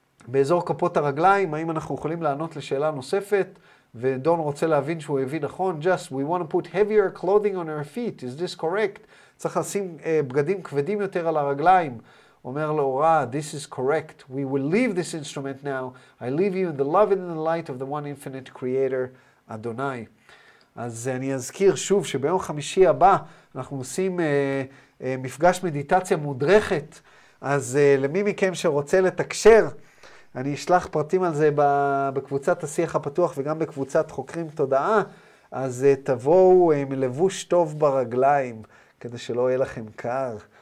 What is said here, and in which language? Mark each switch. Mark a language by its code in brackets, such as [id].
[he] באזור כפות הרגליים, האם אנחנו יכולים לענות לשאלה נוספת, ודון רוצה להבין שהוא הביא נכון, [en] just we want to put heavier clothing on her feet, is this correct? [he] צריך לשים בגדים כבדים יותר על הרגליים. אומר לו, [en] רע, this is correct. We will leave this instrument now. I leave you in the love and in the light of the one infinite creator, אדוני. [he] אז אני אזכיר שוב שביום חמישי הבא אנחנו עושים מפגש מדיטציה מודרכת. אז למי מכם שרוצה לתקשר, אני אשלח פרטים על זה בקבוצת השיח הפתוח וגם בקבוצת חוקרים תודעה. אז תבואו עם לבוש טוב ברגליים, כדי שלא יהיה לכם קר.